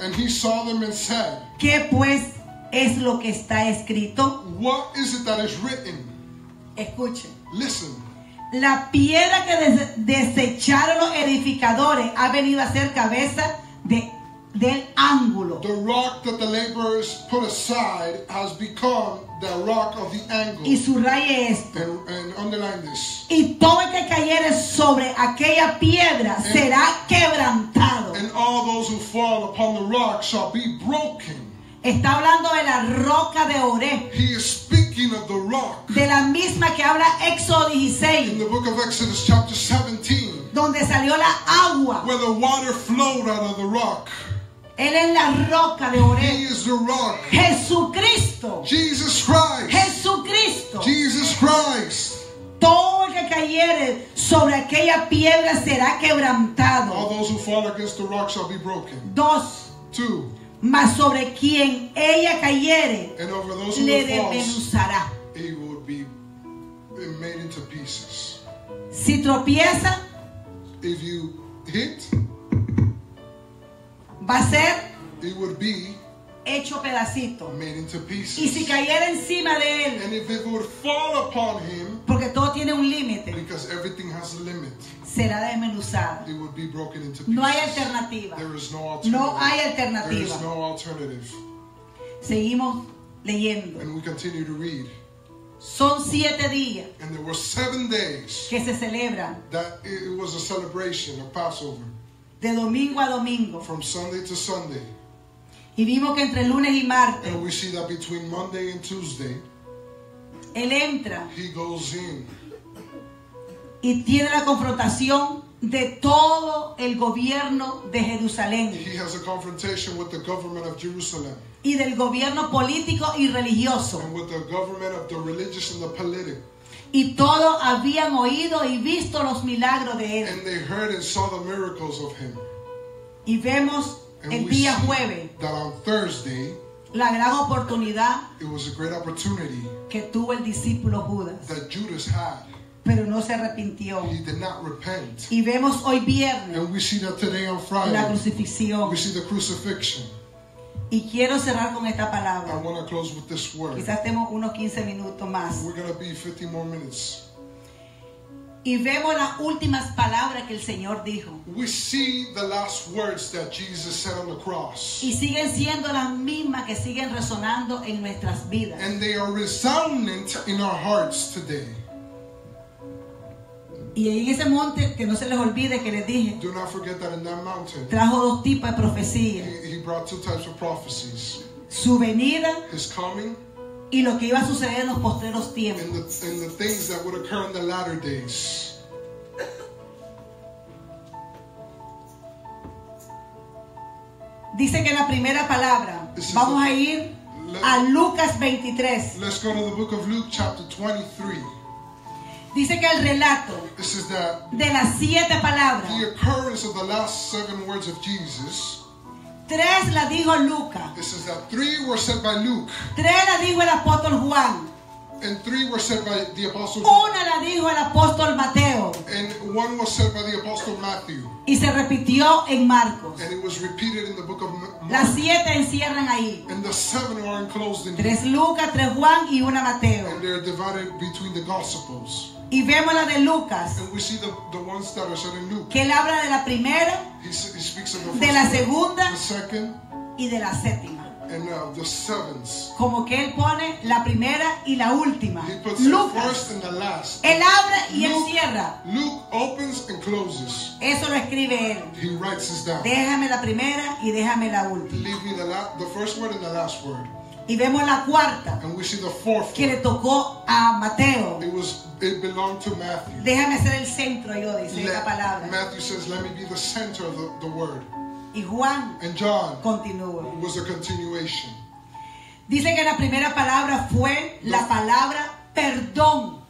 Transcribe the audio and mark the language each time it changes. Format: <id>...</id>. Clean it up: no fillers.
<en>and he saw them and said,</en> <es>¿qué pues es lo que está escrito?</es> <en>What is it that is written?</en> <es>Escuchen.</es> <en>Listen.</en> <es>La piedra que desecharon los edificadores ha venido a ser cabeza del ángulo.</es> <en>The rock that the laborers put aside has become the rock of the angle.</en> <es>Y subraye esto.</es> <en>And underline this.</en> <es>Y todo el que cayere sobre aquella piedra será quebrantado.</es> <en>And all those who fall upon the rock shall be broken.</en> <es>Está hablando de la roca de Oré.</es> <en>He is speaking of the rock.</en> <es>De la misma que habla Éxodo 16.</es> <en>In the book of Exodus chapter 17.</en> <es>Donde salió la agua.</es> <en>Where the water flowed out of the rock.</en> <es>Él es la roca de Oré.</es> <en>He is the rock.</en> <es>Jesucristo.</es> <en>Jesus Christ.</en> <es>Jesucristo.</es> <en>Jesus Christ.</en> <es>Todo el que cayere sobre aquella piedra será quebrantado.</es> <en>All those who fall against the rock shall be broken.</en> <es>Dos.</es> <en>Two.</en> <es>Mas sobre quien ella cayere,</es> <en>and over those who</en> <es>le desmenuzará.</es> <en>He will be made into pieces.</en> <es>Si tropieza,</es> <en>if you hit,</en> <es>va a ser,</es> <en>it would be</en> <es>hecho pedacito.</es> <en>Made into pieces.</en> <es>Y si cayera encima de él,</es> <en>and if it would fall upon him,</en> <es>porque todo tiene un límite,</es> <en>because everything has a limit,</en> <es>será desmenuzado.</es> <en>It would be broken into pieces.</en> <es>No hay alternativa.</es> <en>There is no alternative.</en> <es>No hay alternativa.</es> <en>There is no alternative.</en> <es>Seguimos leyendo.</es> <en>And we continue to read.</en> <es>Son siete días.</es> <en>And there were 7 days.</en> <es>Que se celebran.</es> <en>That it was a celebration, a Passover.</en> <es>De domingo a domingo.</es> <en>From Sunday to Sunday.</en> <es>Y vimos que entre lunes y martes.</es> <en>And we see that between Monday and Tuesday.</en> <es>Él entra.</es> <en>He goes in.</en> <es>Y tiene la confrontación de todo el gobierno de Jerusalén.</es> <en>He has a confrontation with the government of Jerusalem.</en> <es>Y del gobierno político y religioso.</es> <en>And with the government of the religious and the political.</en> <es>Y todos habían oído y visto los milagros de él.</es> <en>And they heard and saw the miracles of him.</en> <es>Y vemos</es> <en>and</en> <es>el día jueves.</es> <en>That on Thursday,</en> <es>la gran oportunidad.</es> <en>It was a great opportunity.</en> <es>Que tuvo el discípulo Judas.</es> <en>That Judas had.</en> <es>Pero no se arrepintió.</es> <en>He did not repent.</en> <es>Y vemos hoy viernes.</es> <en>And we see that today on Friday.</en> <es>La crucifixión.</es> <en>We see the crucifixion.</en> <es>Y quiero cerrar con esta palabra.</es> <en>I want to close with this word.</en> <es>Quizás tenemos unos 15 minutos más.</es> <en>We're going to be 50 more minutes.</en> <es>Y vemos las últimas palabras que el Señor dijo.</es> <en>We see the last words that Jesus said on the cross.</en> <es>Y siguen siendo las mismas que siguen resonando en nuestras vidas.</es> <en>And they are resonant in our hearts today.</en> <es>Y en ese monte, que no se les olvide que les dije,</es> <en>do not forget that in that mountain,</en> <es>trajo dos tipos de profecías.</es> <en>He brought two types of prophecies.</en> <es>Su venida,</es> <en>his coming,</en> <es>y lo que iba a suceder en los postreros tiempos.</es> <en>And the things that would occur in the latter days.</en> <es>Dice que la primera palabra, vamos a ir a Lucas 23.</es> <en>Let's go to the book of Luke chapter 23.</en> <es>Dice que el relato de las siete palabras,</es> <en>the occurrence of the last 7 words of Jesus,</en> <es>tres la dijo Luca,</es> <en>this is that three were said by Luke,</en> <es>tres la dijo el apóstol Juan,</es> <en>and three were said by the apostle,</en> <es>una la dijo el apóstol Mateo,</es> <en>and one was said by the apostle Matthew,</en> <es>y se repitió en Marcos,</es> <en>and it was repeated in the book of Mark,</en> <es>las siete encierran ahí,</es> <en>and the seven are enclosed in,</en> <es>tres Lucas, tres Juan y una Mateo,</es> <en>and they are divided between the gospels,</en> <es>y vemos la de Lucas,</es> <en>and we see the ones that are said in Luke,</en> <es>que él habla de la primera,</es> <en>he speaks of the first,</en> <es>de la segunda,</es> <en>the second,</en> <es>y de la séptima.</es> <en>And now the sevens.</en> <es>Como que él pone la primera y la última.</es> <en>He puts</en> <es>Lucas,</es> <en>the first and the last.</en> <es>Él abre y Luke, él cierra.</es> <en>Luke opens and closes.</en> <es>Eso lo escribe él.</es> <en>He writes this down.</en> <es>Déjame la primera y déjame la última.</es> <en>Leave me the first word and the last word.</en> <es>Y vemos la cuarta.</es> <en>And we see the fourth.</en> <es>Que le tocó a Mateo.</es> <en>It belonged to Matthew.</en> <es>Déjame ser el centro yo, dice la palabra.</es> <en>Matthew says, let me be the center of the word.</en> <es>Y Juan,</es> <en>and John,</en> <es>continuó.</es> <en>Was a continuation.</en> <es>Dice que la primera palabra fue la palabra perdón.</es>